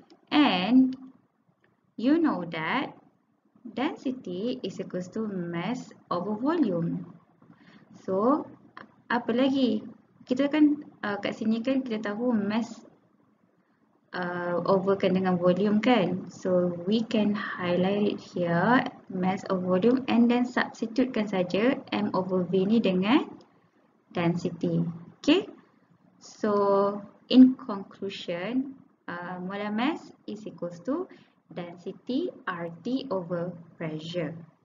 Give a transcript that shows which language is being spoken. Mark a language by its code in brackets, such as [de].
[en] And you know that density is equal to mass over volume. [ms] So, apa lagi? Kita kan kat sini kan kita tahu mass overkan dengan volume kan? [en] So, we can highlight it here. Mass over volume and then substitutekan [ms] saja [en] M over V [ms] ni dengan [en] density. Okay? So, in conclusion, molar mass is equal to density RT over pressure.